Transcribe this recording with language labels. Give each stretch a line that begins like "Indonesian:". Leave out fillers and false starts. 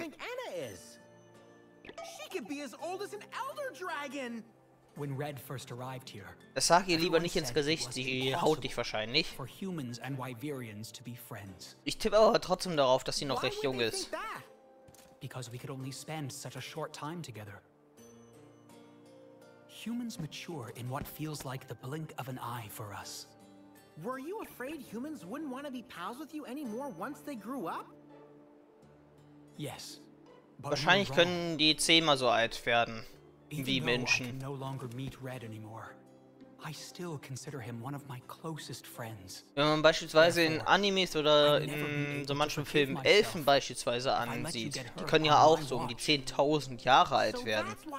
English: How old do you think Anna is? She could be as old as an elder dragon. When Red first arrived here,
German: das sag ihr lieber nicht ins Gesicht, sie haut dich wahrscheinlich.
English: For humans and Wyverians to be friends.
German: Ich tippe aber trotzdem darauf, dass sie noch recht jung ist.
English: Because we could only spend such a short time together. Humans mature in what feels like the blink of an eye for us. Were you afraid humans wouldn't want to be pals with you anymore once they grew up? Yes.
German: Wahrscheinlich können die zehnmal so alt werden. Wie Menschen.
English: I can no longer meet Red anymore. I still consider him one of my closest friends.
German: Wenn man beispielsweise in Animes oder in so manchen Filmen Elfen beispielsweise ansieht, die können ja auch so um die 10.000 Jahre alt werden.